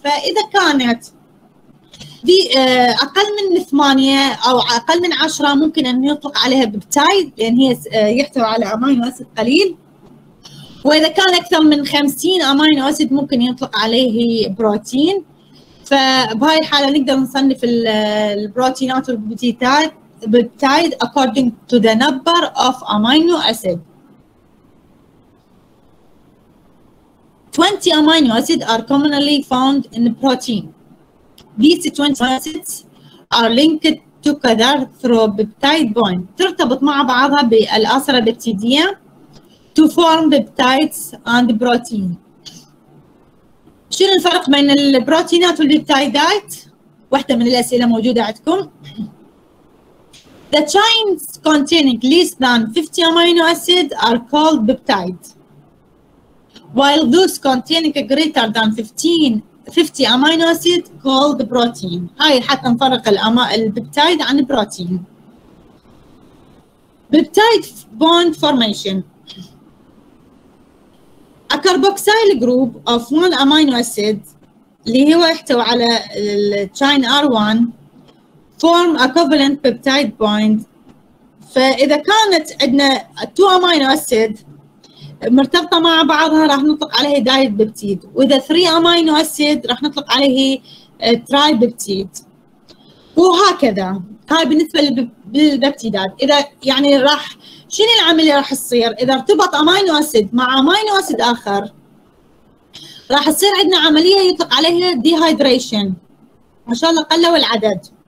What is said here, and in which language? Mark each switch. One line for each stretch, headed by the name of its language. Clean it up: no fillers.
Arabic: فاذا كانت دي اقل من 8 او اقل من 10 ممكن ان يطلق عليها بيبتايد لان هي يحتوي على امينو اسيد قليل، واذا كان اكثر من 50 امينو اسيد ممكن يطلق عليه بروتين. فبهاي الحاله نقدر نصنف البروتينات والبيبتايد
English: according to the number of amino acid. 20 amino acids are commonly found in the protein. These 20 amino acids are linked together through peptide bond.
Arabic: ترتبط مع بعضها بالأسرة البيبتيدية
English: to form peptides and protein.
Arabic: شنو الفرق بين البروتينات والبيبتيدات؟ واحدة من الأسئلة موجودة عندكم.
English: The chains containing less than 50 amino acids are called peptides, while those containing greater than 50 amino acids called protein.
Arabic: هاي حتى نفرق البيبتايد عن البروتين.
English: Peptide bond formation. A carboxyl group of one amino acid
Arabic: اللي هو يحتوي على
English: chain R1 form a covalent peptide bond.
Arabic: فإذا كانت عندنا 2 amino acid مرتبطة مع بعضها راح نطلق عليه dipeptide، وإذا 3 amino acid راح نطلق عليه tripeptide، وهكذا. هاي بالنسبة للبيبتيدات. إذا يعني راح شنو العملية راح تصير إذا ارتبط amino acid مع amino acid آخر؟ راح تصير عندنا عملية يطلق عليها dehydration، ما شاء الله قلوا العدد.